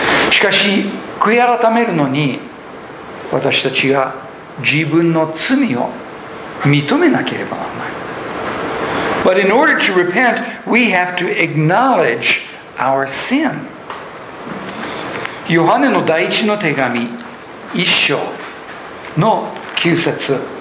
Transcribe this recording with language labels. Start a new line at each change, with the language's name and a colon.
Japanese: しかし悔い改めるのに私たちが自分の罪を認めなければならない。
English: But in order to repent, we have to acknowledge our sin.
Japanese: ヨハネの第一の手紙一章の9節。